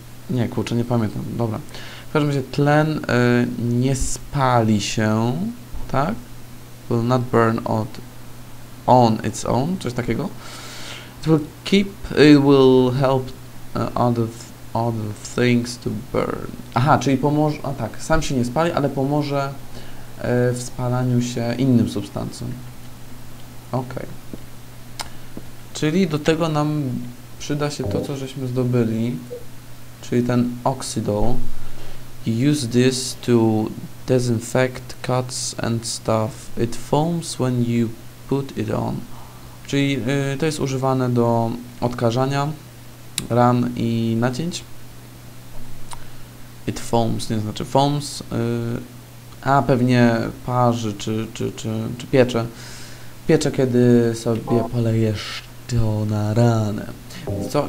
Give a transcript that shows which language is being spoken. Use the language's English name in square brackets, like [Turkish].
[Polish] Nie, kurczę, nie pamiętam. Dobra. W każdym razie tlen nie spali się, tak? [English] Will not burn on its own, [Polish] coś takiego. [English] It will help other things to burn. [Polish] Aha, czyli pomoże, a tak, sam się nie spali, ale pomoże w spalaniu się innym substancjom. Okej. Okay. Czyli do tego nam przyda się to, co żeśmy zdobyli, czyli ten oxidol. [English] Use this to disinfect cuts and stuff. It foams when you put it on. [Polish] Czyli to jest używane do odkażania ran i nacięć. It foams, nie znaczy foams. A pewnie parzy czy piecze. Piecze, kiedy sobie polejesz to na ranę. Co?